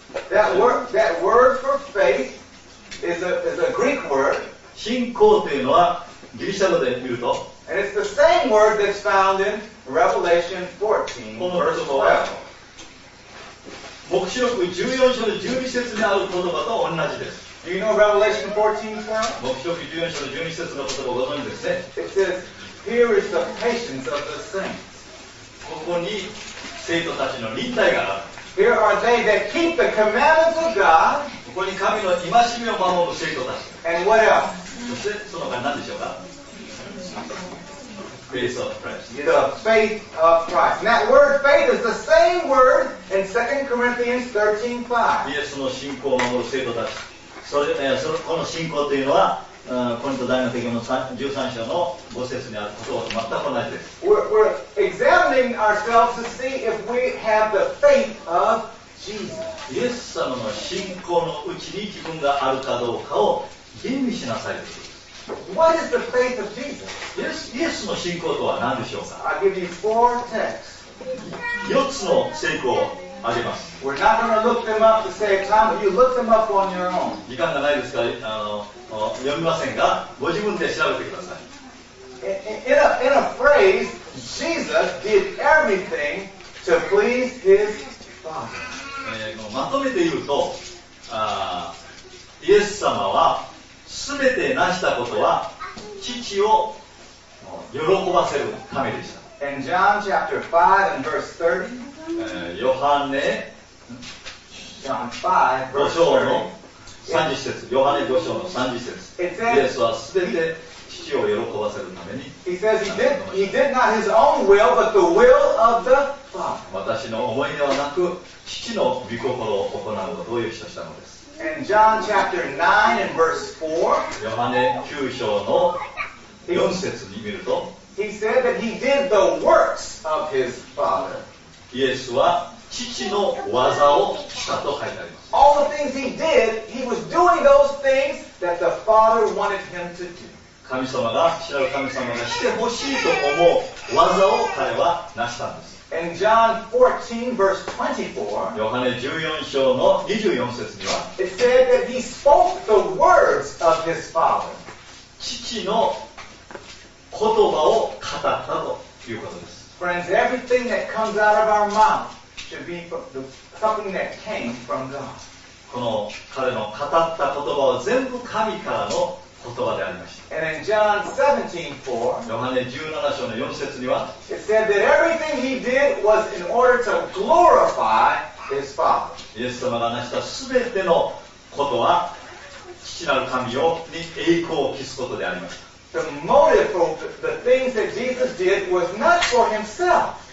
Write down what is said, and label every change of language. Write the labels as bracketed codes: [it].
[en] That word for faith is a Greek word. [ja] 信仰というのはギリシャ語で見ると、 [en] And it's the same word that's found in Revelation 14, verse 12. [ja] 黙示録14章の12節にある言葉と同じです。 [en] Do you know Revelation 14, sir? [ja] 黙示録14章の12節の言葉をご存知ですね。 [en] It says, Here is the patience of the saints. [ja] ここに聖徒たちの忍耐がある。 [en] Here are they that keep the commandments of God. [ja] ここに神の戒めを守る聖徒たち。 [en] And what else? [ja] そしてその他に何でしょうか [en] Faith of Christ. The faith of Christ. And that word faith is the same word in 2 Corinthians 13, 5. [ja] イエスの信仰を守る聖徒たち。この信仰というのは、コリント大の手紙の13章の5節にあることと全く同じです。 [en] We're examining ourselves to see if we have the faith of Jesus. [ja] イエス様の信仰のうちに自分があるかどうかを吟味しなさいと。 [en] What is the faith of Jesus? [ja] イエスの信仰とは何でしょうか? [en] I'll give you four texts. [ja] 四つの聖句をあげます。 [en] We're not going to look them up to save time, but you look them up on your own. [ja] 時間がないですから、読みませんが、ご自分で調べてください。 [en] In a phrase, Jesus did everything to please his Father. [ja] まとめて言うと、イエス様は全て成したことは父を喜ばせるためでした。 [en] And John chapter 5 and verse 30. [ja] ヨハネ [en] John 5 verse 30. 5 [ja] 章の30節。ヨハネ5章の30節。イエスは全て父を喜ばせるために。 [en] He says he did not his own will, but the will of the Father. [ja] 私の思いではなく父の御心を行うことを言ったのです。 [en] And John chapter 9 and verse 4. [ja] ヨハネ9章の4節に見ると、 [en] He said that he did the works of his father. [ja] イエスは父の技をしたと書いてあります。 [en] All the things he did, he was doing those things that the father wanted him to do. [ja] 神様が、知らぬ神様がしてほしいと思う技を彼は成したんです。 [en] And John 14, verse 24, [ja] ヨハネ14章の24節には、 [en] It said that he spoke the words of his father. [ja] 父の言葉を語ったということです。 [en] Friends, everything that comes out of our mouth should be something that came from God. [ja] この彼の語った言葉は全部神からの言葉でありました。 [en] And in John 17, 4, [ja] ヨハネ17章の4節には、 [en] It said that everything he did was in order to glorify his Father. [ja] イエス様が成したすべてのことは、父なる神に栄光を期すことでありました。 [en] The motive for the things that Jesus did was not for himself.